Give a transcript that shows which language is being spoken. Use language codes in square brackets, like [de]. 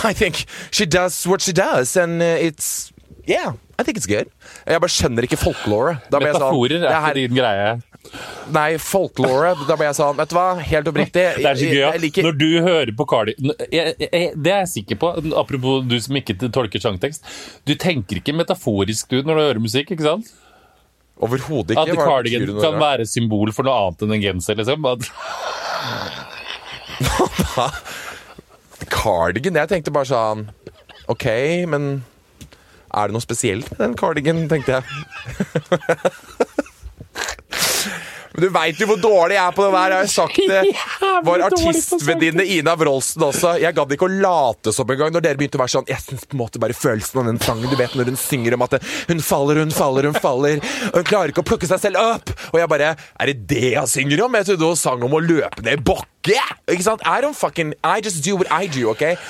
[en] I think she does what she does, and it's, yeah. I think it's good. [no] Jeg bare skjønner ikke folklore. Metaforer sånn, ikke din greie. Nei, folklore, da ble jeg sånn, vet du hva, helt oppriktig. Det så gøy, liker... når du hører på Cardi, det jeg sikker på, apropos du som ikke tolker sangtekst, du tenker ikke metaforisk du når du hører musikk, ikke sant? Overhovedet ikke. At cardigan kan være symbol for noe annet enn en genser, liksom. Hva da? Cardigan, jeg tenkte bare sånn, ok, men... Er det noe spesielt med den cardigan, tenkte jeg. Men du vet jo hvor dårlig jeg er på det der. Jeg har sagt det. Var artistvenninne Ina Wroldsen også. Jeg gadd ikke å late som en gang når dere begynte å være sånn. Jeg synes på en måte bare følelsen av den sangen. Du vet når hun synger om at hun faller, hun faller, hun faller. Hun klarer ikke å plukke seg selv opp. Og jeg bare, er det det jeg synger om? Jeg trodde hun sang om å løpe ned i bokke. Ikke sant? [en] I don't fucking, I just do what I do, okay?